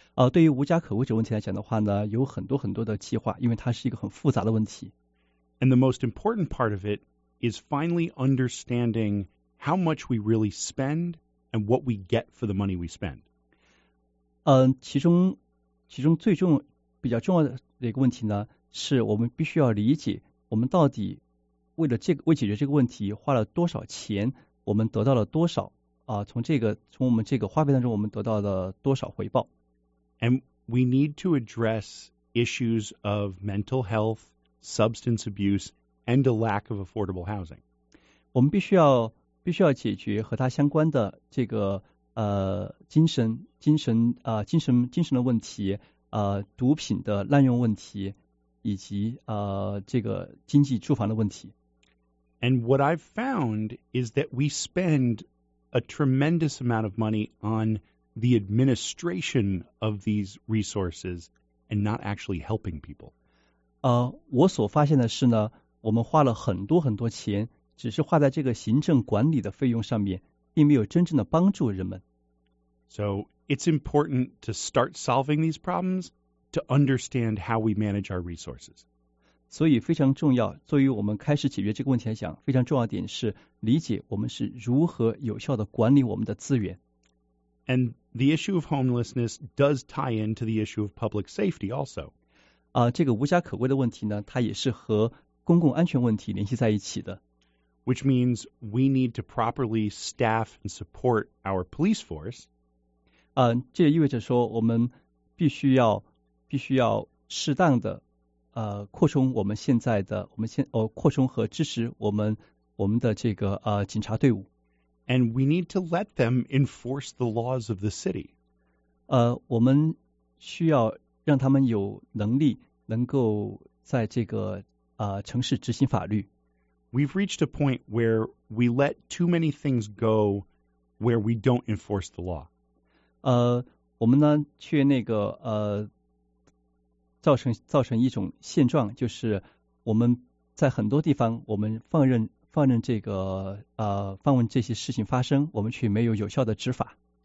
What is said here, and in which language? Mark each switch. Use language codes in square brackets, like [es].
[zh] 对于无家可归者问题来讲的话呢，有很多很多的计划，因为它是一个很复杂的问题。 [en] And the most important part of it is finally understanding how much we really spend and what we get for the money we spend. [zh] 其中最重比较重要的一个问题呢，是我们必须要理解我们到底为了这个为解决这个问题花了多少钱，我们得到了多少从我们这个花费当中我们得到了多少回报。 [en] And we need to address issues of mental health, substance abuse, and a lack of affordable housing. [zh] 我们必须要解决和它相关的这个精神的问题，毒品的滥用问题，以及这个经济住房的问题。 [en] And what I've found is that we spend a tremendous amount of money on the administration of these resources and not actually helping people. [zh] 我所发现的是呢，我们花了很多很多钱，只是花在这个行政管理的费用上面，并没有真正的帮助人们。 [en] So it's important to start solving these problems to understand how we manage our resources. [zh] 所以非常重要，作为我们开始解决这个问题来讲，非常重要的点是理解我们是如何有效地管理我们的资源。 [en] And the issue of homelessness does tie into the issue of public safety also. [zh] 这个无家可归的问题呢，它也是和公共安全问题联系在一起的。 [en] Which means we need to properly staff and support our police force. [zh] 这也意味着说我们必须要适当的扩充我们现在的我们现扩充和支持我们的这个警察队伍。 [en] And we need to let them enforce the laws of the city. [zh] 我们需要让他们有能力能够在这个城市执行法律。 [en] We've reached a point where we let too many things go where we don't enforce the law. [zh] 我们呢却那个造成一种现状，就是我们在很多地方我们放任这个放任这些事情发生，我们却没有有效的执法。